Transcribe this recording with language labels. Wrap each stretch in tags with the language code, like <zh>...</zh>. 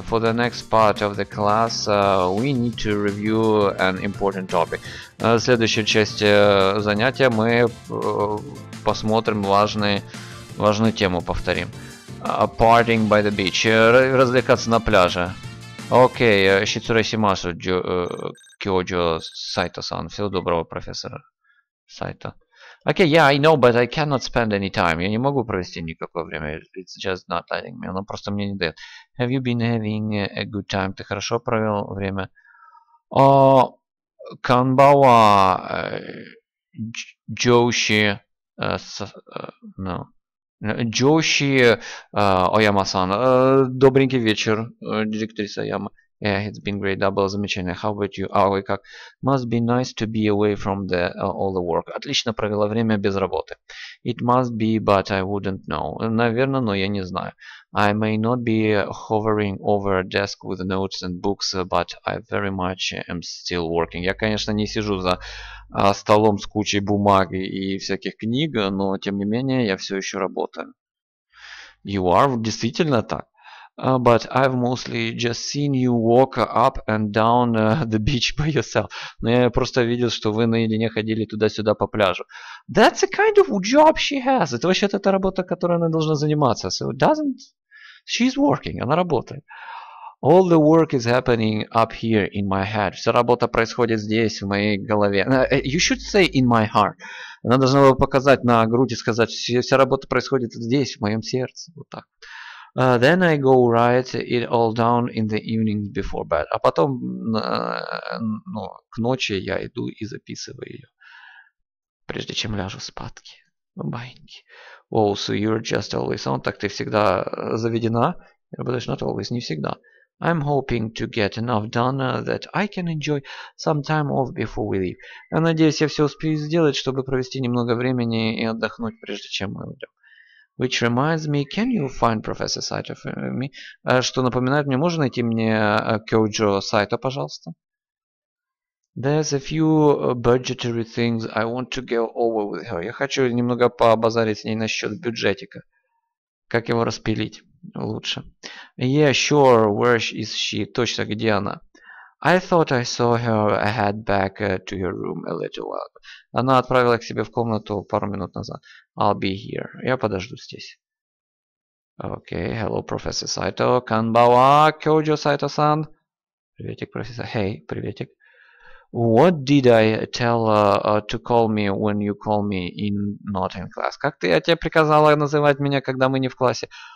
<en>For the next part of the class, we need to review an important topic.</en> <ru>Следующая часть занятия мы посмотрим важную тему, повторим.</ru> <en>Partying by the beach.</en> <ru>Развлекаться на пляже.</ru> <en>Окей.</en> <ja>Шицурасимасу Кёджо Сайто-сан.</ja> <ru>Всего доброго, профессор Сайто.</ru> <en>Окей, yeah, I know, but I cannot spend any time.</en> <ru>Я не могу провести никакое время.</ru> <en>It's just not letting me.</en> <ru>Оно просто мне не дает.</ru> <en>Have you been having a good time?</en> <ru>Ты хорошо провел время?</ru> <ja>Канбава Джоуши Ну...</ja> <en>Джоши Ояма-сан,</en> <ru>добренький вечер, директриса Ояма.</ru> <en>Yeah, it's been great. Double замечание. How about you?</en> <ru>А вы как?</ru> <en>Must be nice to be away from the all the work.</en> <ru>Отлично провела время без работы.</ru> <en>It must be, but I wouldn't know.</en> <ru>Наверное, но я не знаю.</ru> <en>I may not be hovering over a desk with notes and books, but I very much am still working.</en> <ru>Я, конечно, не сижу за столом с кучей бумаг и всяких книг, но тем не менее я все еще работаю.</ru> <en>You are</en> <ru>действительно так.</ru> <en>But I've mostly just seen you walk up and down the beach by yourself.</en> <ru>Но я просто видел, что вы наедине ходили туда-сюда по пляжу.</ru> <en>That's a kind of job she has.</en> <ru>Это вообще-то та работа, которой она должна заниматься.</ru> <en>So doesn't... She's working.</en> <ru>Она работает.</ru> <en>All the work is happening up here in my head.</en> <ru>Вся работа происходит здесь, в моей голове.</ru> <en>You should say in my heart.</en> <ru>Она должна была показать на грудь и сказать, вся работа происходит здесь, в моем сердце. Вот так.</ru> <en>Then I go write it all down in the evening before bed.</en> <ru>А потом, ну, к ночи я иду и записываю ее, прежде чем ляжу спать.</ru> <en>Баиньки. Oh, so you're just always on.</en> <ru>Так ты всегда заведена. Работаешь</ru> <en>not always,</en> <ru>не всегда.</ru> <en>I'm hoping to get enough done that I can enjoy some time off before we leave.</en> <ru>Я надеюсь, я все успею сделать, чтобы провести немного времени и отдохнуть, прежде чем мы уйдем.</ru> <en>Which reminds me, can you find Professor Saito for me?</en> <ru>Что напоминает мне, можно найти мне Кёджо Сайто, пожалуйста?</ru> <en>There's a few budgetary things I want to go over with her.</en> <ru>Я хочу немного побазарить с ней насчет бюджетика. Как его распилить лучше.</ru> <en>Yeah, sure, where is she?</en> <ru>Точно, где она?</ru> <en>I thought I saw her head back to her room a little while ago.</en> <ru>Она отправила к себе в комнату пару минут назад.</ru> <en>I'll be here.</en> <ru>Я подожду здесь.</ru> <en>Okay, hello, Professor Saito.</en> <ja>Kanbawa, Kyojo Saito-san.</ja> <ru>Приветик, профессор. Hey, приветик.</ru> <en>What did I tell to call me when you call me in not in class?</en> <ru>Как ты, я тебе приказала называть меня, когда мы не в классе?</ru>